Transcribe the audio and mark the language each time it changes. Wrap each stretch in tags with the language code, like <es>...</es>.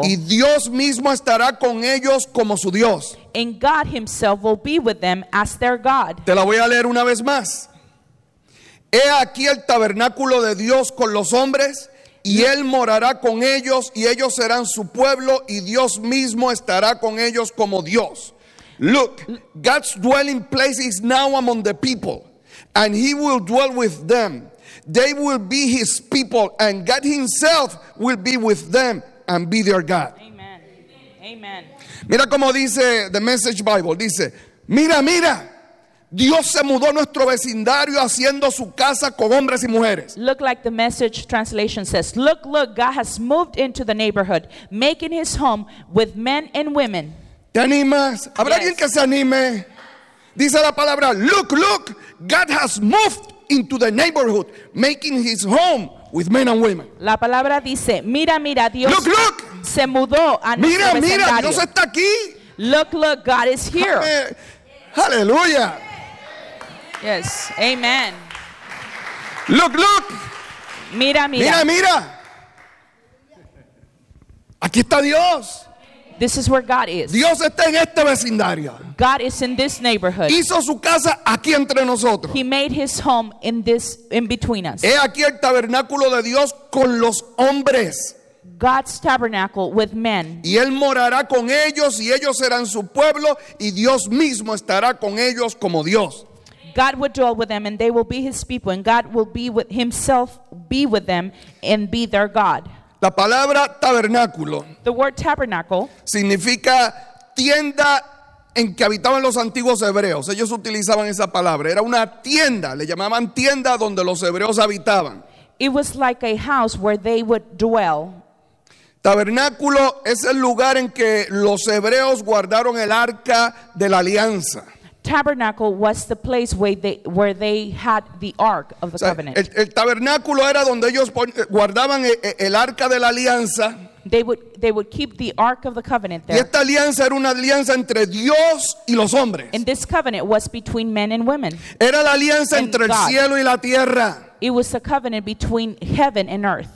<es>Y Dios mismo estará con ellos como su Dios.</es> <en>And God himself will be with them as their God.</en> <es>Te la voy a leer una vez más. He aquí el tabernáculo de Dios con los hombres. Y él morará con ellos y ellos serán su pueblo y Dios mismo estará con ellos como Dios.</es> <en>Look, God's dwelling place is now among the people and he will dwell with them. They will be his people, and God himself will be with them and be their God. Amen. Amen.</en> <es>Mira como dice the Message Bible. Dice, mira, mira. Dios se mudó a nuestro vecindario haciendo su casa con hombres y mujeres.</es> <en>Look like the Message translation says. Look, look, God has moved into the neighborhood, making his home with men and women.</en> <es>¿Te animas? ¿Habrá yes. alguien que se anime? Dice la palabra,</es> <en>look, look, God has moved into the neighborhood, making his home with men and women.</en> <es>La palabra dice, mira, mira, Dios</es> <en>look, look.</en> <es>Se mudó a mira, nuestro mira, vecindario. Mira, mira, Dios está aquí.</es> <en>Look, look, God is here. Hallelujah. Yes, amen. Look, look.</en> <es>Mira, mira. Mira, mira. Aquí está Dios.</es> <en>This is where God is.</en> <es>Dios está en este vecindario.</es> <en>God is in this neighborhood.</en> <es>Hizo su casa aquí entre nosotros.</es> <en>He made his home in this, in between us.</en> <es>He aquí el tabernáculo de Dios con los hombres.</es> <en>God's tabernacle with men.</en> <es>Y él morará con ellos y ellos serán su pueblo y Dios mismo estará con ellos como Dios.</es> <en>God would dwell with them and they will be his people and God will be with himself, be with them and be their God.</en> <es>La palabra tabernáculo.</es> <en>The word tabernacle</en> <es>significa tienda en que habitaban los antiguos hebreos. Ellos utilizaban esa palabra. Era una tienda, le llamaban tienda donde los hebreos habitaban.</es> <en>It was like a house where they would dwell.</en> <es>Tabernáculo es el lugar en que los hebreos guardaron el arca de la alianza.</es> <en>Tabernacle was the place where they had the ark of the covenant.</en> <es>El tabernáculo era donde ellos guardaban el arca de la alianza.</es> <en>They would keep the ark of the covenant there.</en> <es>Y esta alianza era una alianza entre Dios y los hombres.</es> <en>And this covenant was between men and women.</en> <es>Era la alianza</es> <en>and</en> <es>entre</es> <en>God.</en> <es>El cielo y la tierra.</es> <en>It was a covenant between heaven and earth.</en>